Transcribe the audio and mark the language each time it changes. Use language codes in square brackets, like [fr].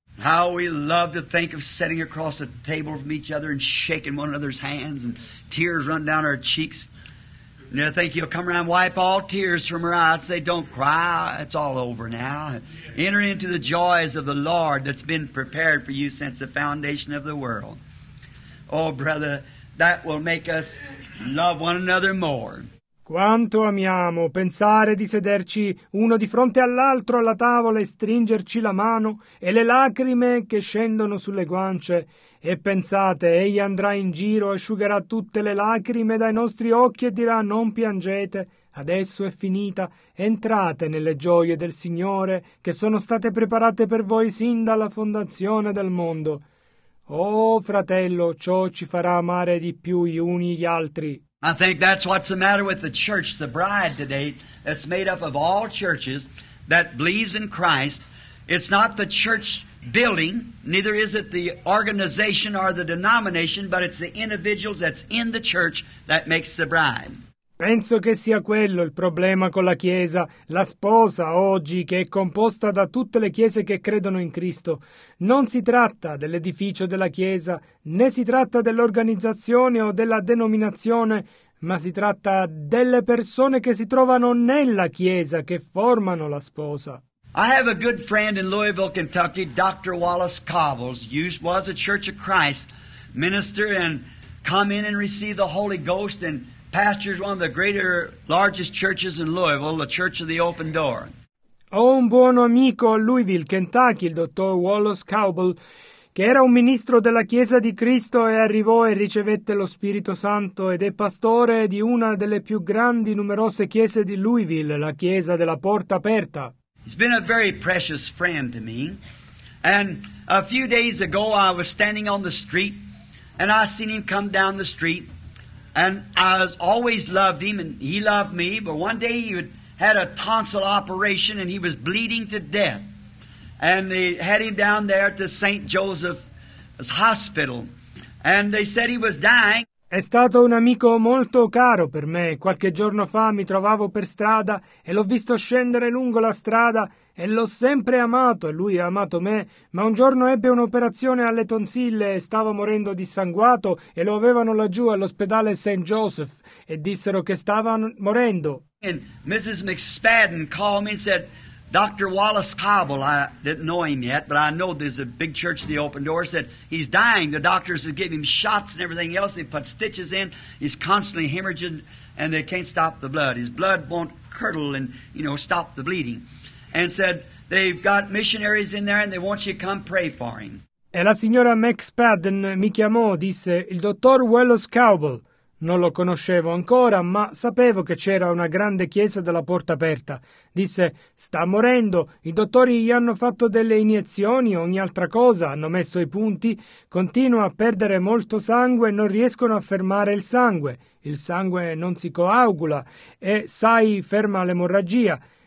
[en] How we love to think of sitting across a table from each other and shaking one another's hands and tears run down our cheeks. And I think he'll come around and wipe all tears from her eyes and say, don't cry, it's all over now. Enter into the joys of the Lord that's been prepared for you since the foundation of the world. Oh, brother, that will make us love one another more. [it] Quanto amiamo pensare di sederci uno di fronte all'altro alla tavola e stringerci la mano e le lacrime che scendono sulle guance. E pensate, egli andrà in giro, asciugherà tutte le lacrime dai nostri occhi e dirà, non piangete, adesso è finita, entrate nelle gioie del Signore che sono state preparate per voi sin dalla fondazione del mondo. Oh, fratello, ciò ci farà amare di più gli uni gli altri. [en] I think that's what's the matter with the church, the bride today, that's made up of all churches that believes in Christ. It's not the church building, neither is it the organization or the denomination, but it's the individuals that's in the church that makes the bride. [it] Penso che sia quello il problema con la Chiesa, la sposa oggi che è composta da tutte le Chiese che credono in Cristo. Non si tratta dell'edificio della Chiesa, né si tratta dell'organizzazione o della denominazione, ma si tratta delle persone che si trovano nella Chiesa che formano la sposa. [en] I have a good friend in Louisville, Kentucky, Dr. Wallace Cobbles, was a Church of Christ minister and come in and receive the Holy Ghost and pastors one of the greater, largest churches in Louisville, the Church of the Open Door. [it] Ho un buon amico a Louisville, Kentucky, il dottor Wallace Cobble, che era un ministro della Chiesa di Cristo e arrivò e ricevette lo Spirito Santo ed è pastore di una delle più grandi, numerose chiese di Louisville, la Chiesa della Porta Aperta. [en] He's been a very precious friend to me. And a few days ago, I was standing on the street, and I seen him come down the street. And I always loved him, and he loved me, but one day he had a tonsil operation, and he was bleeding to death. And they had him down there at the St. Joseph's Hospital, and they said he was dying. [it] È stato un amico molto caro per me. Qualche giorno fa mi trovavo per strada, e l'ho visto scendere lungo la strada, e l'ho sempre amato, e lui ha amato me, ma un giorno ebbe un'operazione alle tonsille e stava morendo dissanguato e lo avevano laggiù all'ospedale St. Joseph e dissero che stava morendo. [en] And Mrs. McSpadden called me and said, Dr. Wallace Cobble, I didn't know him yet, but I know there's a big church at the Open Door, said he's dying, the doctors have given him shots and everything else, they put stitches in, he's constantly hemorrhaging and they can't stop the blood, his blood won't curdle and, you know, stop the bleeding. And said, they've got missionaries in there and they want you to come pray for him. [it] E la signora McSpadden mi chiamò, disse, il dottor Wallace Cobble. Non lo conoscevo ancora, ma sapevo che c'era una grande chiesa della Porta Aperta. Disse, sta morendo, i dottori gli hanno fatto delle iniezioni, ogni altra cosa, hanno messo i punti, continua a perdere molto sangue e non riescono a fermare il sangue non si coagula e, sai, ferma l'emorragia.